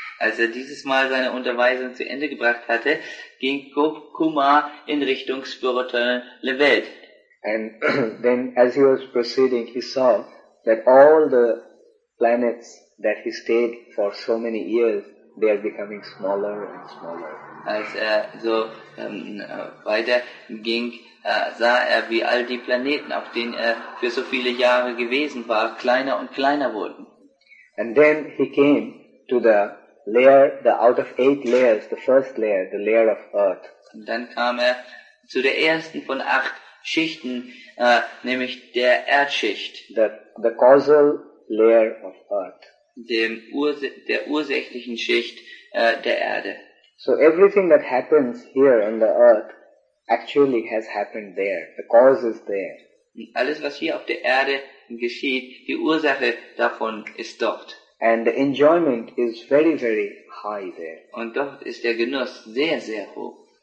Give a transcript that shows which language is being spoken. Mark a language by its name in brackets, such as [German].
[German] Als er dieses Mal seine Unterweisung zu Ende gebracht hatte, ging Gopkumar in Richtung spirituelle Welt. [English] And then as he was proceeding, he saw that all the planets that he stayed for so many years, they are becoming smaller and smaller. [German] Als er so weiter ging, sah er, wie all die Planeten, auf denen er für so viele Jahre gewesen war, kleiner und kleiner wurden. [English] And then he came to the layer, the out of eight layers, the first layer, the layer of earth. [German] Und dann kam er zu der ersten von acht Schichten, nämlich der Erdschicht. [English] The causal layer of earth. [German] Der ursächlichen Schicht der Erde. [English] So everything that happens here on the earth actually has happened there. The cause is there. [German] Alles, was hier auf der Erde geschieht, die Ursache davon ist dort. [English] And the enjoyment is very, very high there. [German] Und dort ist der Genuss sehr, sehr hoch.